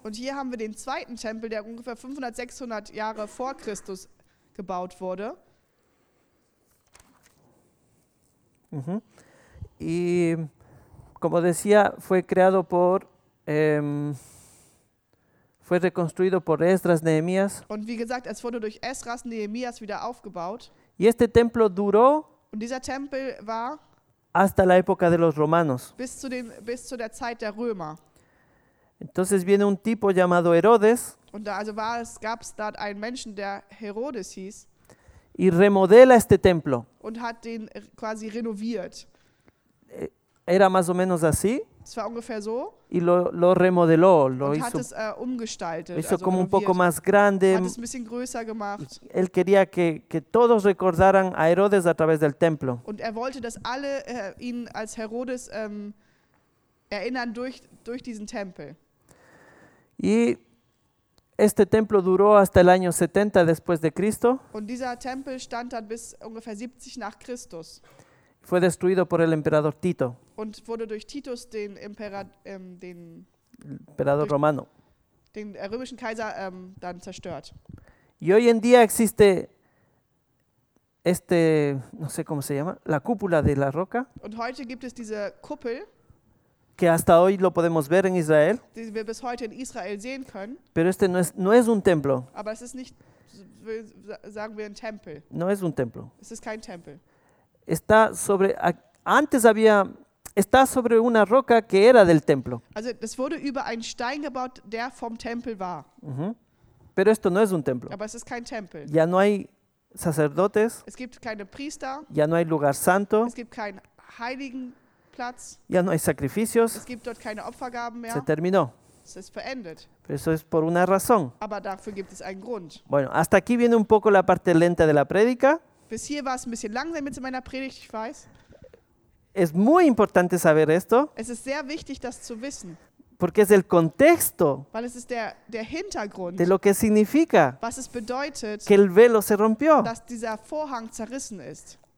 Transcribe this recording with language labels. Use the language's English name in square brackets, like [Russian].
[German] Und hier haben wir den zweiten Tempel, der ungefähr 500, 600 Jahre vor Christus gebaut wurde. [Spanish] Y como decía, fue creado por, fue reconstruido por Esdras, Nehemías. [German] Und wie gesagt, es wurde durch Esdras, Nehemías wieder aufgebaut. [Spanish] Y este templo duró. [German] Und dieser Tempel war [Spanish] hasta la época de los romanos. [German] Bis zu der Zeit der Römer. [Spanish] Entonces viene un tipo llamado Herodes. [German] Und da also war es gab es dort einen Menschen, der Herodes hieß. [Spanish] Y remodela este templo. [German] Und hat den quasi renoviert. [Spanish] Era más o menos así. [German] Es war ungefähr so. [Spanish] Y lo remodeló, lo [German] und [Spanish] hizo. [German] Hat es umgestaltet. [Spanish] Hizo also como renoviert. Un poco más grande. [German] Hat es ein bisschen größer gemacht. [Spanish] Él quería que todos recordaran a Herodes a través del templo. [German] Und er wollte, dass alle ihn als Herodes erinnern durch diesen Tempel. [Spanish] Y este templo duró hasta el año 70 después de Cristo. [German] Und dieser Tempel stand dann bis ungefähr 70 nach Christus. [Spanish] Fue destruido por el emperador Tito. [German] Und wurde durch Titus den römischen Kaiser dann zerstört. [Spanish] Y hoy en día existe este, no sé cómo se llama, la cúpula de la roca. [German] Und heute gibt es diese Kuppel. [Spanish] Que hasta hoy lo podemos ver en Israel. [German] Die wir bis heute in Israel sehen können. [Spanish] Pero este no es un templo. [German] Aber es ist nicht, sagen wir, ein Tempel. [Spanish] No es un templo. [German] Es ist kein Tempel. [Spanish] Está sobre, antes había, está sobre una roca que era del templo. [German] Also, das wurde über einen Stein gebaut, der vom Tempel war. [Spanish] Pero esto no es un templo. [German] Aber es ist kein Tempel. [Spanish] Ya no hay sacerdotes. [German] Es gibt keine Priester. [Spanish] Ya no hay lugar santo. [German] Es gibt keinen heiligen Platz. [Spanish] Ya no hay sacrificios. [German] Es gibt dort keine Opfergaben mehr. [Spanish] Se terminó. [German] Es ist beendet. [Spanish] Pero eso es por una razón. [German] Aber dafür gibt es einen Grund. [Spanish] Bueno, hasta aquí viene un poco la parte lenta de la prédica. [German] Bis hier war es ein bisschen langsam mit meiner Predigt, ich weiß. [Spanish] Es muy importante saber esto. [German] Es ist sehr wichtig, das zu wissen. [Spanish] Porque es el contexto. [German] Weil es ist der Hintergrund. [Spanish] De lo que significa. [German] Was es bedeutet. [Spanish] Que el velo se rompió. [German] Dass dieser Vorhang zerrissen ist.